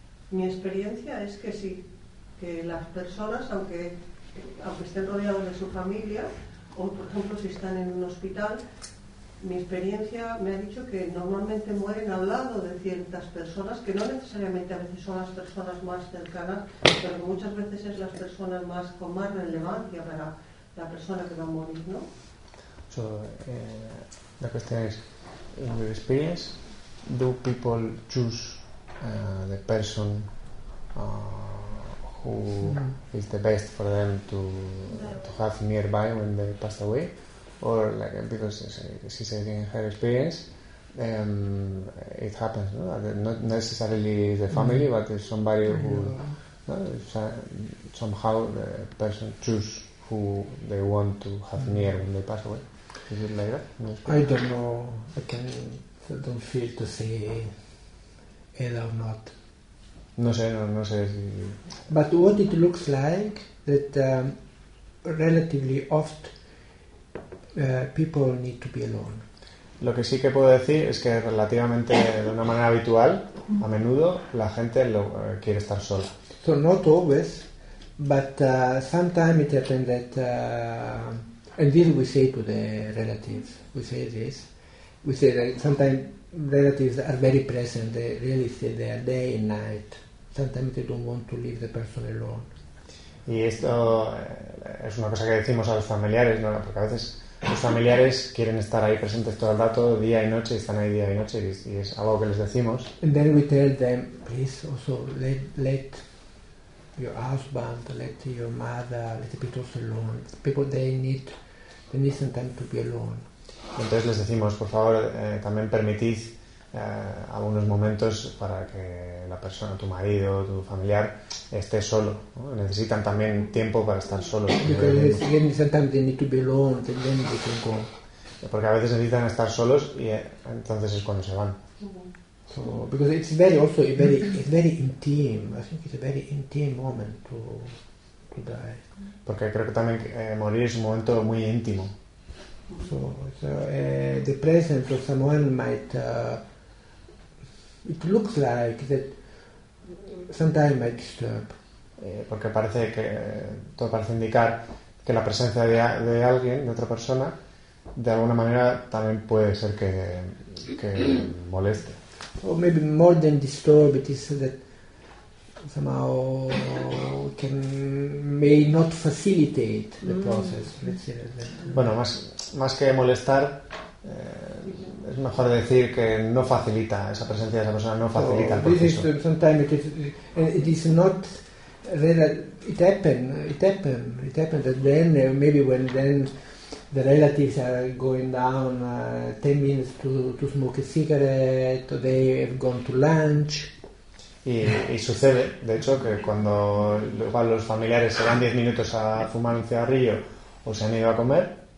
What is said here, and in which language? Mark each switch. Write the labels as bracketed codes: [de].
[es] Mi experiencia es que sí, que las personas, aunque estén rodeados de su familia, o por ejemplo si están en un hospital, mi experiencia me ha dicho que normalmente mueren al lado de ciertas personas, que no necesariamente a veces son las personas más cercanas, pero muchas veces es las personas más con más relevancia para la persona que va a morir, ¿no? [en] So, [es] la cuestión es, [en] in your experience, do people choose the person who is the best for them to have nearby when they pass away? Or, like, because she said in her experience, it happens, no? Not necessarily the family, mm-hmm. but somebody who, no? Somehow the person choose who they want to have mm-hmm. near when they pass away. Is it like that? I don't know. I don't feel to say it or not. [es] No sé. [en] But what it looks like that relatively oft people need to be alone. [es] Lo que sí que puedo decir es que relativamente de una manera habitual, a menudo la gente quiere estar sola. [en] So not always, but sometimes it happens that. And this we say to the relatives, we say that sometimes relatives are very present, they really stay there day and night. Sometimes they don't want to leave the person alone. [es] Y esto es una cosa que decimos a los familiares, ¿no? Porque a veces los familiares quieren estar ahí presentes todo el rato, día y noche, están ahí día y noche, y es algo que les decimos. [en] And then we tell them, please also let your husband, let your mother, let people also alone. People, they need some time to be alone. [es] Entonces les decimos, por favor, también permitid algunos momentos para que la persona, tu marido, tu familiar, esté solo. ¿No? Necesitan también tiempo para estar solos. [en] Because sometimes they need to be alone, and then they can go. [es] Porque a veces necesitan estar solos y entonces es cuando se van. [en] So, because it's very also a very intime. I think it's a very intime moment to die. [es] Porque creo que también morir es un momento muy íntimo. [en] So the presence of someone might it looks like that sometimes might disturb. [es] Porque parece que todo parece indicar que la presencia de alguien, de otra persona, de alguna manera también puede ser que moleste. [en] Or maybe more than disturb it is that somehow can may not facilitate the process. Let's say that. [es] Bueno, más que molestar, es mejor decir que no facilita esa presencia de esa persona, no facilita el proceso. [en] This is, sometimes it is not. It happened that then maybe when then the relatives are going down 10 minutes to smoke a cigarette, they have gone to lunch. [es] Y sucede, de hecho, que cuando igual los familiares se van 10 minutos a fumar un cigarrillo o se han ido a comer,